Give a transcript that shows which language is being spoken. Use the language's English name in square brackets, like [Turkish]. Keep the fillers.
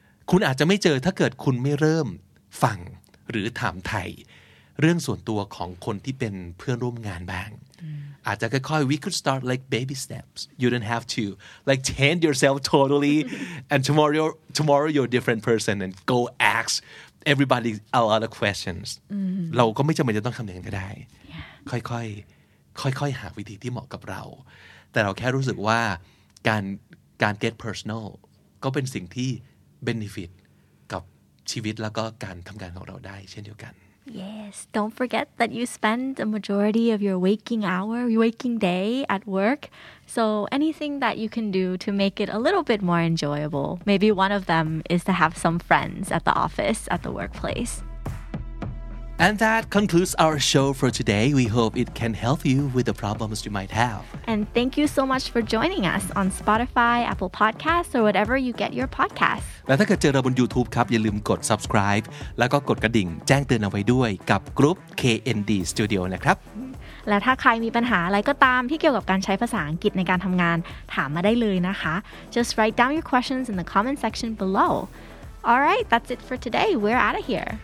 [Thai] คุณอาจจะไม่เจอถ้าเกิดคุณไม่เริ่มฟังหรือถามไทย เรื่องส่วนตัวของคนที่เป็นเพื่อนร่วมงานบ้าง อาจจะค่อยๆ [English] we could start like baby steps you don't have to like change yourself totally and tomorrow tomorrow you're a different person and go ask everybody a lot of questions [Thai] เราก็ไม่จำเป็นจะต้องทำอย่างนั้นก็ได้ ค่อยๆ ค่อยๆ หาวิธีที่เหมาะกับเรา แต่เราแค่รู้สึกว่าการการ get personal ก็เป็นสิ่งที่ benefit กับชีวิตแล้วก็การทำงานของเราได้เช่นเดียวกัน [English] Yes. Don't forget that you spend the majority of your waking hour, your waking day at work. So anything that you can do to make it a little bit more enjoyable. Maybe one of them is to have some friends at the office, at the workplace. And that concludes our show for today. We hope it can help you with the problems you might have. And thank you so much for joining us on Spotify, Apple Podcasts, or whatever you get your podcasts. [Thai] และถ้าเกิดเจอเราบน YouTube ครับ อย่าลืมกด subscribe แล้วก็กดกระดิ่งแจ้งเตือนเอาไว้ด้วยกับกรุ๊ป KND Studio นะครับ และถ้าใครมีปัญหาอะไรก็ตามที่เกี่ยวกับการใช้ภาษาอังกฤษในการทำงานถามมาได้เลยนะคะ [English] just write down your questions in the comment section below alright that's it for today we're out of here